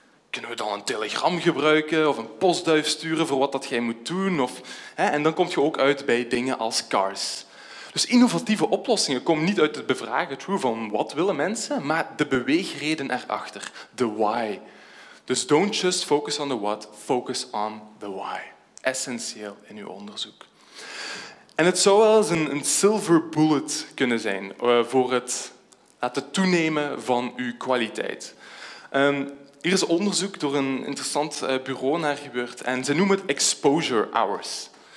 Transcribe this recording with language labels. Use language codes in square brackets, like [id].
[nl] Kunnen we dan een telegram gebruiken of een postduif sturen voor wat dat jij moet doen? Of, hè, en dan kom je ook uit bij dingen als cars. Dus innovatieve oplossingen komen niet uit het bevragen true, van wat willen mensen, maar de beweegreden erachter, de why. [en] Dus don't just focus on the what, focus on the why. [nl] Essentieel in uw onderzoek. En het zou wel eens een silver bullet kunnen zijn voor het laten toenemen van uw kwaliteit. Hier is onderzoek door een interessant bureau naar gebeurd en ze noemen het exposure hours.